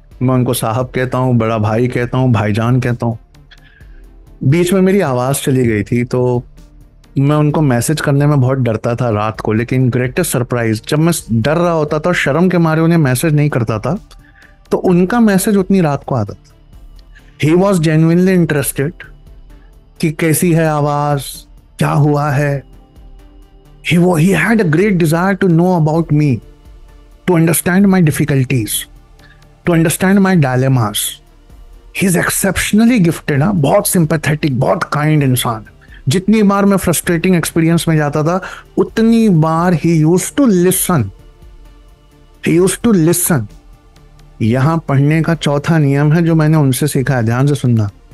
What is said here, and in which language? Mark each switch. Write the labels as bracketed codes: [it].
[hi] मैं उनको साहब कहता हूँ, बड़ा भाई कहता हूँ, भाईजान कहता हूँ। बीच में मेरी आवाज़ चली गई थी तो मैं उनको मैसेज करने में बहुत डरता था रात को, लेकिन ग्रेटेस्ट सरप्राइज, जब मैं डर रहा होता था और शर्म के मारे उन्हें मैसेज नहीं करता था तो उनका मैसेज उतनी रात को आता था। [en] he was genuinely interested [hi] कि कैसी है आवाज़, क्या हुआ है। [en] He had a great desire to know about me, to understand my difficulties, to understand my dilemmas. He's exceptionally gifted, huh? [hi] बहुत sympathetic, बहुत kind इंसान। जितनी बार मैं frustrating experience में जाता था उतनी बार [en] he used to listen. [hi] यहां पढ़ने का चौथा नियम है जो मैंने उनसे सीखा है, ध्यान से सुनना।